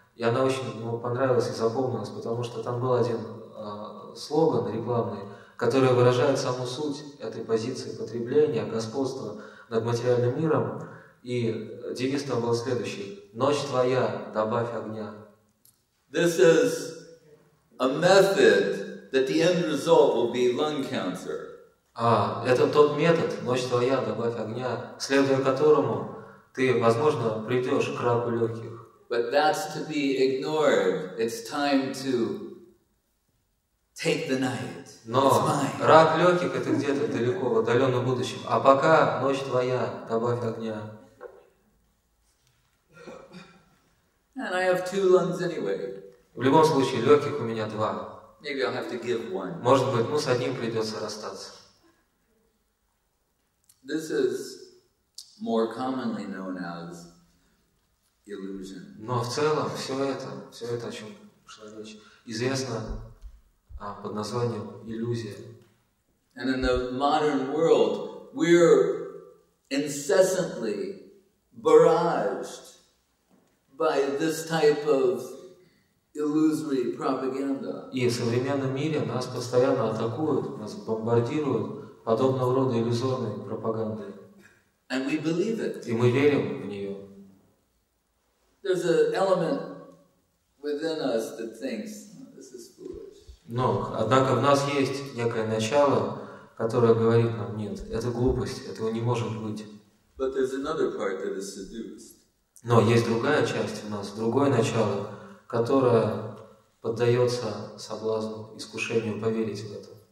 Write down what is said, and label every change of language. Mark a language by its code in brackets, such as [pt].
[ru] И она очень ему понравилась и запомнилась, потому что там был один слоган рекламный, который выражает саму суть этой позиции потребления, господства над материальным миром. И девиз там был следующий: «Ночь твоя, добавь огня». [en] This is a method that the end result will be lung cancer. [ru] А, это тот метод «Ночь твоя, добавь огня», следуя которому ты, возможно, придешь к раку легких. [en] But that's to be ignored. It's time to take the night. [ru] Но рак легких — это где-то далеко, в отдаленном будущем. А пока «Ночь твоя, добавь огня». [en] And I have two lungs anyway. [ru] В любом случае, легких у меня два. [en] Maybe I'll have to give one. [ru] Может быть, ну, с одним придется расстаться. [en] This is more commonly known as illusion. [ru] Но в целом все это, о чем шла речь, известно под названием иллюзия. [en] And in the modern world, we're incessantly barraged by this type of illusory propaganda. [ru] И в современном мире нас постоянно атакуют, нас бомбардируют подобного рода иллюзорной пропагандой. [en] And we believe it. [ru] И мы верим в нее. [en] There's an element within us that thinks, oh, this is foolish. [ru] Но, однако, в нас есть некое начало, которое говорит нам: нет, это глупость, этого не может быть. [en] But there's another part that is seduced. [ru] Но есть другая часть у нас, другое начало, которое поддается соблазну, искушению поверить в это.